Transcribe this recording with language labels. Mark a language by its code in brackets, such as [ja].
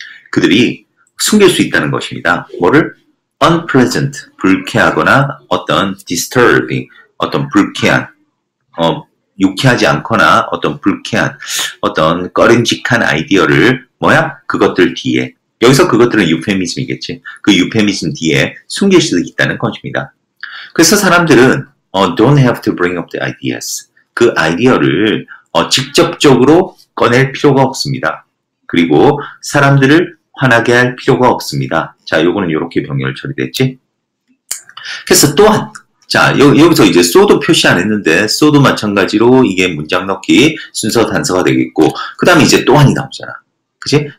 [ko] 그들이 숨길 수 있다는 것입니다. 뭐를? unpleasant, 불쾌하거나 어떤 disturbing, 어떤 불쾌한, 유쾌하지 않거나 어떤 불쾌한, 어떤 꺼림직한 아이디어를 뭐야? 그것들 뒤에, 여기서 그것들은 유페미즘이겠지. 그 유페미즘 뒤에 숨길 수 있다는 것입니다. 그래서 사람들은 [en] don't have to bring up the ideas. [ko] 그 아이디어를 직접적으로 꺼낼 필요가 없습니다. 그리고 사람들을 화나게 할 필요가 없습니다. 자, 요거는 요렇게 병렬 처리됐지? 그래서 또한, 자, 여기서 이제 so도 표시 안 했는데, so도 마찬가지로 이게 문장 넣기 순서 단서가 되겠고, 그 다음에 이제 또한이 나오잖아. 그치?